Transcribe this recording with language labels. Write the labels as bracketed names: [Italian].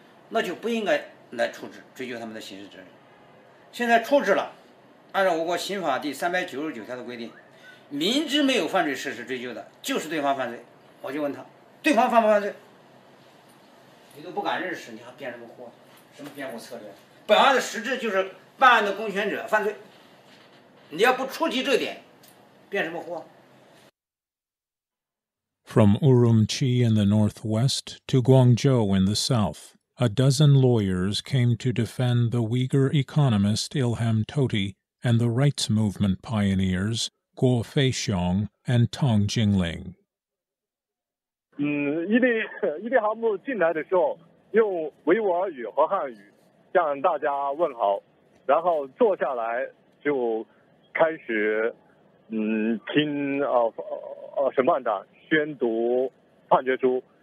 [Chinese] 那就不应该来处置，追究他们的刑事责任。现在处置了，按照我国刑法第399条的规定，明知没有犯罪事实追究的，就是对方犯罪。我就问他，对方犯不犯罪？你都不敢认识，你还辩什么护？什么辩护策略？本案的实质就是办案的公权者犯罪。你要不触及这点，辩什么护？ [English] From Urumqi in the northwest to Guangzhou in the south, a dozen lawyers came to defend the Uyghur economist Ilham Toti and the rights movement pioneers Guo Feixiong and Tang Jingling. [Chinese] 伊利哈木进来的时候用维吾尔语和汉语向大家问好，然后坐下来就开始听审判长宣读判决书。